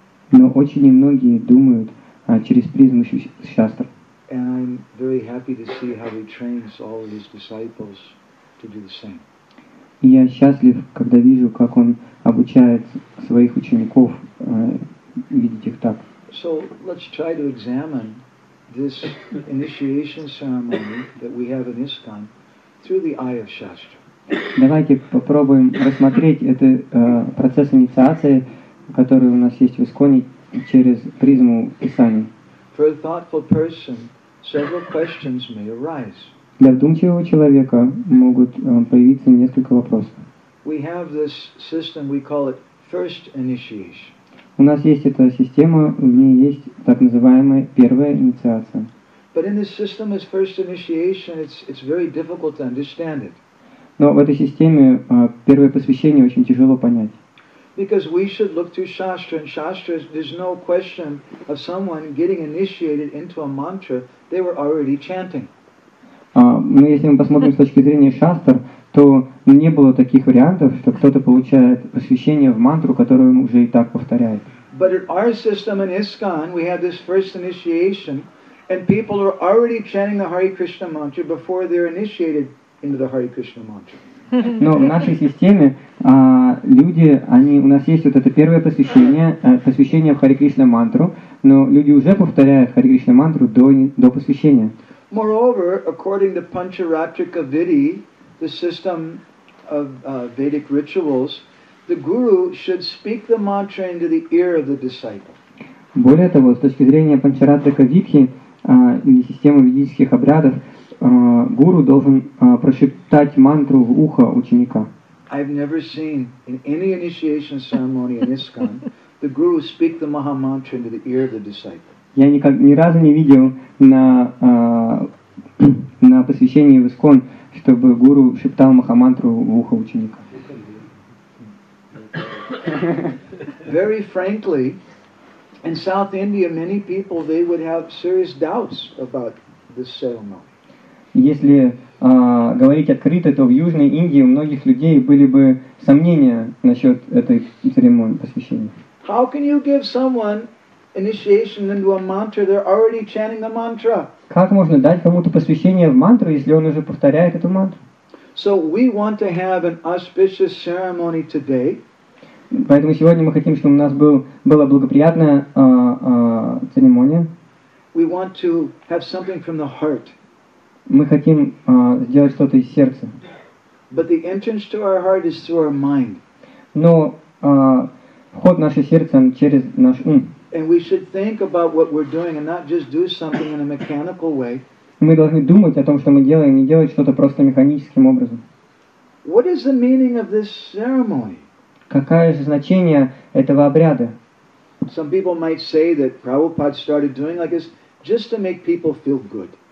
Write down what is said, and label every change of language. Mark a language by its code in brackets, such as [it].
[ru] Но очень немногие думают через призму Шастра. И я счастлив, когда вижу, как он обучает своих учеников видеть их так. [en] So let's try to examine this initiation ceremony that we have in ISKCON through the eye of Shastra. [ru] Давайте попробуем рассмотреть этот процесс инициации, который у нас есть в ИСККОНе, через призму Писания. [en] For a thoughtful person, several questions may arise. [ru] Для вдумчивого человека могут появиться несколько вопросов. [en] We have this system, we call it first initiation. [ru] У нас есть эта система, в ней есть так называемая первая инициация. [en] But in this system as first initiation, it's very difficult to understand it. [ru] Но в этой системе первое посвящение очень тяжело понять. [en] Because we should look to Shastra, and Shastra, there's no question of someone getting initiated into a mantra they were already chanting. [ru] Но если мы посмотрим с точки зрения Шастр, то не было таких вариантов, что кто-то получает посвящение в мантру, которую он уже и так повторяет. [en] But in our system in ISKCON, we had this first initiation, and people are already chanting the Hare Krishna mantra before they're initiated into the Hare Krishna mantra. [ru] Но в нашей системе люди, они, у нас есть вот это первое посвящение, посвящение в Hare Krishna мантру, но люди уже повторяют Hare Krishna мантру до посвящения. [en] Moreover, according to Pancharatrika Vidhi, the system of Vedic rituals, the guru should speak the mantra into the ear of the disciple. [ru] Более того, с точки зрения Панчаратрика Видхи, системы ведических обрядов, гуру должен прошептать мантру в ухо ученика. [en] I've never seen in any initiation ceremony in ISKCON the guru speak the maha mantra into the ear of the disciple. [ru] Я ни разу не видел на посвящении в ИСККОН, чтобы гуру шептал махамантру в ухо ученика. [en] Very frankly, in South India, many people, they would have serious doubts about this ceremony. [ru] Если говорить открыто, то в Южной Индии у многих людей были бы сомнения насчет этой церемонии посвящения. [en] How can you give someone initiation into a mantra, they're already chanting the mantra. [ru] Как можно дать кому-то посвящение в мантру, если он уже повторяет эту мантру? [en] So we want to have an auspicious ceremony today. [ru] Поэтому сегодня мы хотим, чтобы у нас была благоприятная церемония. [en] We want to have something from the heart. [ru] Мы хотим сделать что-то из сердца. [en] But the entrance to our heart is through our mind. [ru] Но вход в наше сердце через наш ум. [en] And we should think about what we're doing and not just do something in a mechanical way. [ru] Мы должны думать о том, что мы делаем, не делать что-то просто механическим образом. [en] What is the meaning of this ceremony? [ru] Какое же значение этого обряда? [en] Some people might say that Prabhupada started doing like this just to make people feel good.